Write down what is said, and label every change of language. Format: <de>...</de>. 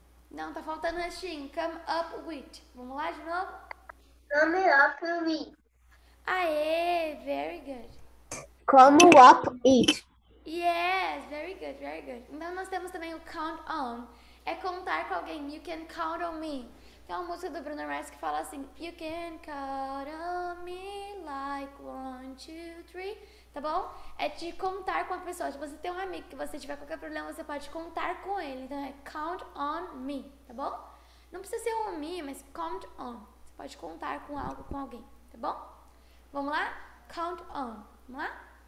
<pt>Não, tá faltando restinho. Come up with. Vamos lá de novo?</pt> <en>Come up with. Aê, very good. Come up with. Yes, very good, very good.</en> <pt>Então nós temos também o</pt> <en>count on.</en> <pt>É contar com alguém.</pt> <en>You can count on me.</en> <pt>Tem uma música do Bruno Mars que fala assim.</pt> <en>You can count on me like one, two, three.</en> <pt>Tá bom? É de contar com a pessoa. Se você tem um amigo que você tiver qualquer problema, você pode contar com ele. Então é count on me, tá bom? Não precisa ser um me, mas count on. Você pode contar com algo, com alguém, tá bom? Vamos lá? Count on. Vamos lá?</pt>